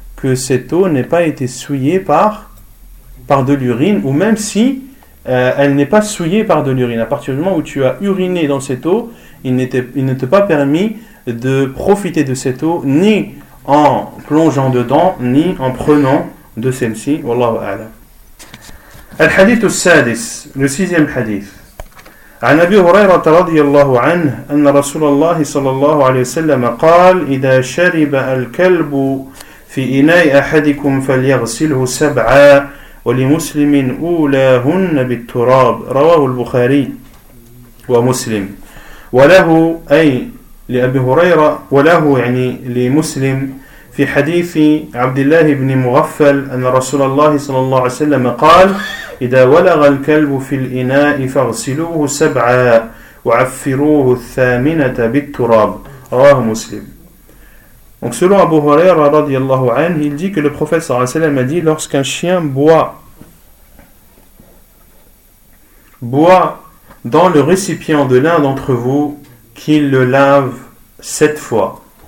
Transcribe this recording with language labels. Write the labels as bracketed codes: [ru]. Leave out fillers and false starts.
[fr] que cette eau n'ait pas été souillée par de l'urine, ou même si elle n'est pas souillée par de l'urine. À partir du moment où tu as uriné dans cette eau, il ne t'est pas permis de profiter de cette eau, ni en plongeant dedans, ni en prenant de celle-ci. Wallahu a'lam. [ar] Al-hadith al-sadis, [fr] le sixième hadith. [ar] عن أبي هريرة رضي الله عنه أن رسول الله صلى الله عليه وسلم قال إذا شرب الكلب في إناء أحدكم فليغسله سبعا ولمسلم أولاهن بالتراب رواه البخاري ومسلم وله أي لأبي هريرة وله يعني لمسلم في حديث عبد الله بن مغفل أن رسول الله صلى الله عليه وسلم قال إذا ولغ الكلب في الإناء فاغسلوه سبعا وعفروه الثامنة بالتراب رواه مسلم. [fr] Donc selon Abu Huraira radiyallahu anhu, il dit que le prophète sallallahu alayhi wa sallam a dit lorsqu'un chien boit dans le récipient de l'un d'entre vous, qu'il le lave sept fois.